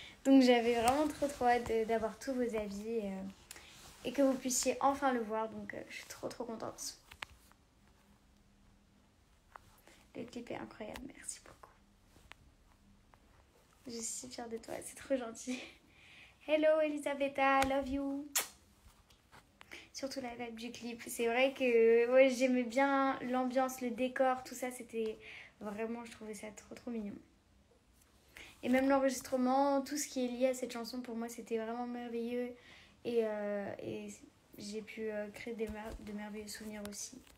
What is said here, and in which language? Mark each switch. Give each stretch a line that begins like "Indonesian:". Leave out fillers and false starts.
French: Donc j'avais vraiment trop trop hâte d'avoir tous vos avis et que vous puissiez enfin le voir, donc je suis trop trop contente. Le clip est incroyable, merci beaucoup. Je suis si fière de toi, c'est trop gentil.
English: Hello Elisabetta, love you.
French: Surtout la vibe du clip, c'est vrai que ouais, j'aimais bien l'ambiance, le décor, tout ça, c'était vraiment, je trouvais ça trop trop mignon. Et même l'enregistrement, tout ce qui est lié à cette chanson, pour moi c'était vraiment merveilleux. Et j'ai pu créer de merveilleux souvenirs aussi.